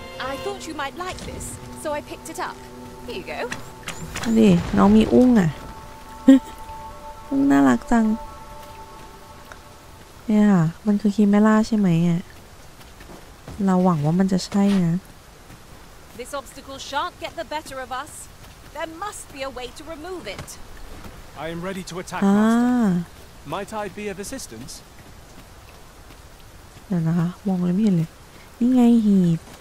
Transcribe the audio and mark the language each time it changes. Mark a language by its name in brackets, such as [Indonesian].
[English] I thought you might like this so I picked it up here you go [Thai] นี่น้องมีอุ้งอ่ะอุ้งน่ารักจังเนี่ยมันคือคีเมล่าใช่ไหมอ่ะเราหวังว่ามันจะใช่นะ [English] This obstacle shan't get the better of us. There must be a way to remove it. I am ready to attack, Master. Might I be of assistance? [Thai] เดี๋ยวนะคะมองเลยไม่เห็นเลยนี่ไงหีบ